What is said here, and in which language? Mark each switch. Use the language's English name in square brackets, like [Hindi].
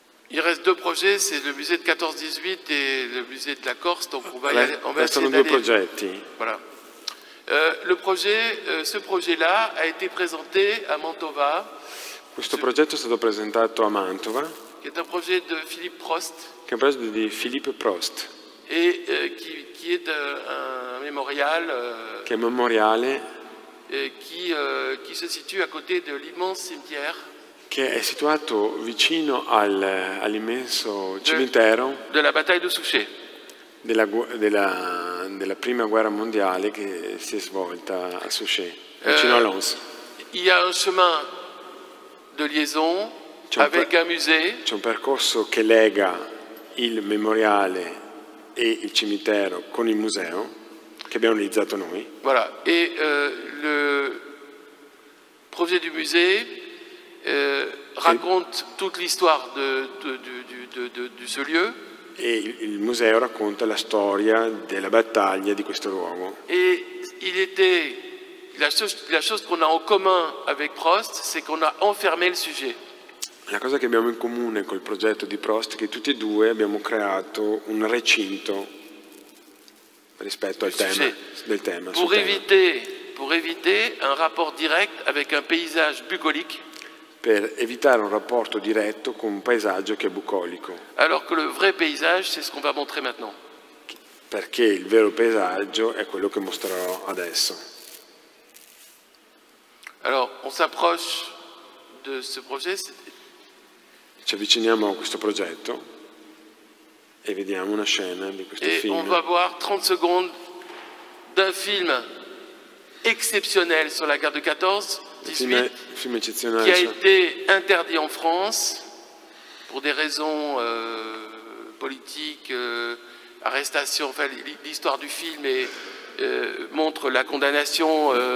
[French] Il reste deux projets, c'est le musée de 14-18 et le musée de la Corse. Donc on va y aller. [Italian] Restano due progetti. [French] Voilà. Ce projet-là a été présenté à Mantova. [Italian] Questo progetto è stato presentato a Mantova. Che è un progetto di Philippe Prost. Che è un progetto di Philippe Prost. [French] E qui est un mémorial. [Italian] Che è un memoriale. [French] Qui se situe à côté de l'immense cimetière. [Italian] Che è situato vicino all'immenso cimitero. Della battaglia di Suchet. Della prima guerra mondiale che si è svolta a Suchet, vicino a Lens. [French] Il y a un chemin de liaison avec un musée. [Italian] C'è un percorso che lega il memoriale e il cimitero con il museo che abbiamo realizzato noi. [French] Voilà, et le projet du musée raconte toute l'histoire de ce lieu. [Italian] E il museo racconta la storia della battaglia di questo luogo. [French] E il était la chose qu'on a en commun avec Prost, c'est qu'on a enfermé le sujet. [Italian] La cosa che abbiamo in comune col progetto di Prost è che tutti e due abbiamo creato un recinto rispetto al tema del tema. [French] Pour éviter un rapport direct avec un paysage bucolique. [Italian] Per evitare un rapporto diretto con un paesaggio che è bucolico. [French] Alors que le vrai paysage, c'est ce qu'on va montrer maintenant. [Italian] Perché il vero paesaggio è quello che mostrerò adesso. [French] Alors, on s'approche de ce projet. [Italian] Ci avviciniamo a questo progetto e vediamo una scena di questo et film. [French] On va voir 30 secondes d'un film exceptionnel sur la guerre de 14. [Italian] Film eccezionale che ha [French] été interdit en France pour des raisons politiques, arrestation, enfin l'histoire du film montre la condannation